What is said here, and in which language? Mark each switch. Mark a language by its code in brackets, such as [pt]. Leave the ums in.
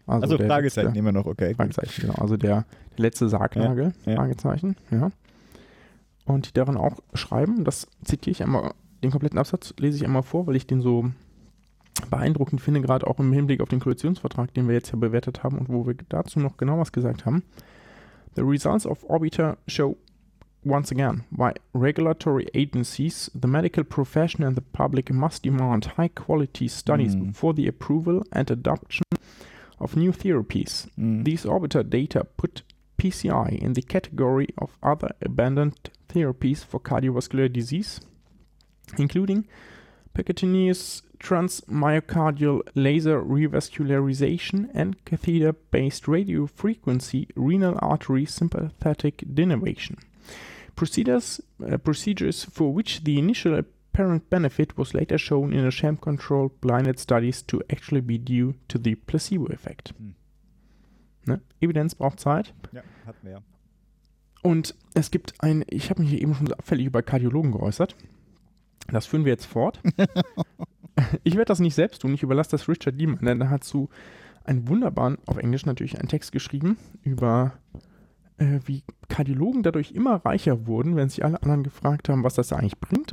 [de] Also, also, der Fragezeichen letzte, immer noch, okay. Fragezeichen, genau. Also der, letzte Sargnagel, ja, ja. ja. Und die darin auch schreiben, das zitiere ich einmal, den kompletten Absatz lese ich einmal vor, weil ich den so beeindruckend finde, gerade auch im Hinblick auf den Koalitionsvertrag, den wir jetzt ja bewertet haben und wo wir dazu noch genau was gesagt haben. [en] The results of Orbiter show once again by regulatory agencies, the medical profession, and the public must demand high quality studies mm. before the approval and adoption of new therapies. Mm. These orbiter data put PCI in the category of other abandoned therapies for cardiovascular disease, including percutaneous transmyocardial laser revascularization and catheter based radiofrequency renal artery sympathetic denervation. Procedures, uh, procedures for which the initial apparent benefit was later shown in a sham control blinded studies to actually be due to the placebo effect. [de] Hm. Ne? Evidenz braucht Zeit. Ja, hat mehr. Und es gibt ein, ich habe mich hier eben schon so abfällig über Kardiologen geäußert. Das führen wir jetzt fort. ich werde das nicht selbst tun, ich überlasse das Richard Lehman, denn er hat zu so einen wunderbaren, auf Englisch natürlich, einen Text geschrieben über wie Kardiologen dadurch immer reicher wurden, wenn sich alle anderen gefragt haben, was das da eigentlich bringt.